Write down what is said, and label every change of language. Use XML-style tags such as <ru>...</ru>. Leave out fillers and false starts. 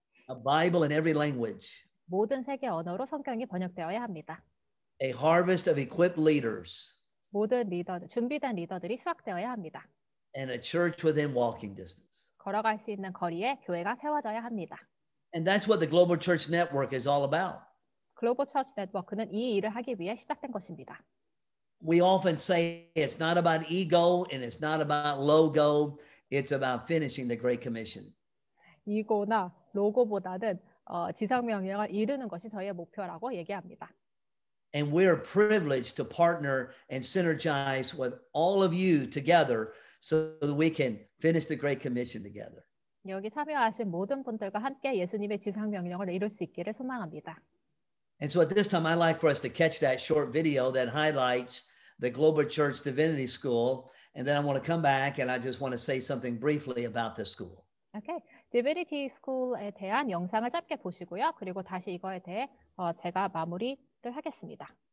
<en>A Bible in every language.</en> <ko>모든 세계 언어로 성경이 번역되어야 합니다.</ko> <en>A harvest of equipped leaders.</en> <ko>모든 리더들, 준비된 리더들이 수확되어야 합니다.</ko> <en>And a church within walking distance.</en> <ko>걸어갈 수 있는 거리에 교회가 세워져야 합니다.</ko> <en>And that's what the Global Church Network is all about.</en> <ko>Global Church Network는 이 일을 하기 위해 시작된 것입니다.</ko> <en>We often say it's not about ego and it's not about logo. It's about finishing the Great Commission.</en> <ko>이거나 로고보다는 지상명령을 이루는 것이 저희의 목표라고 얘기합니다.</ko> <en>And we are privileged to partner and synergize with all of you together so that we can finish the Great Commission together.</en> <ko>여기 참여하신 모든 분들과 함께 예수님의 지상명령을 이룰 수 있기를 소망합니다.</ko> <en>And so at this time, I'd like for us to catch that short video that highlights the Global Church Divinity School. And then I want to come back and I just want to say something briefly about this school.</en> <ko>Okay. Divinity School에 대한 영상을 짧게 보시고요. 그리고 다시 이거에 대해 제가 마무리를 하겠습니다.</ko>